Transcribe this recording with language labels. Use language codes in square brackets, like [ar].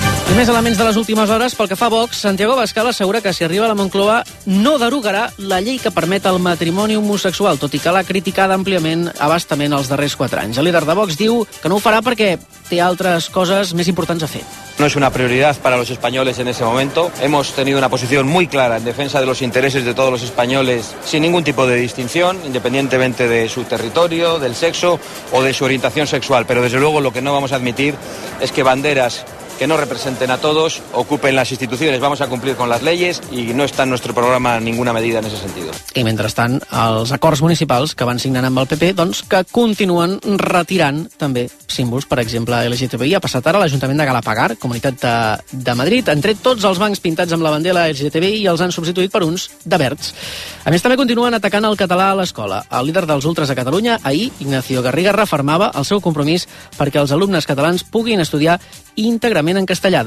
[ca] I més elements de les últimes hores. Pel que fa a Vox, Santiago Abascal assegura que si arriba a la Moncloa no derogarà la llei que permet el matrimoni homosexual, tot i que l'ha criticada àmpliament, abastament, els darrers 4 anys. El líder de Vox diu que no ho farà perquè té altres coses més importants a fer. [es] No es una prioridad para los españoles en ese momento. Hemos tenido una posición muy clara en defensa de los intereses de todos los españoles sin ningún tipo de distinción, independientemente de su territorio, del sexo o de su orientación sexual. Pero desde luego lo que no vamos a admitir es que banderas que no representen a todos ocupen las instituciones. Vamos a cumplir con las leyes y no está en nuestro programa ninguna medida en ese sentido. [ca] I mentrestant, els acords municipals que van signant amb el PP, doncs que continuen retirant també símbols, per exemple, LGTBI. Ha passat ara a l'Ajuntament de Galapagar, Comunitat de Madrid. Han tret tots els bancs pintats amb la bandera LGTBI i els han substituït per uns de verds. A més, també continuen atacant el català a l'escola. El líder dels ultres a Catalunya, ahir, Ignacio Garriga, reafirmava el seu compromís perquè els alumnes catalans puguin estudiar íntegrament en castellà.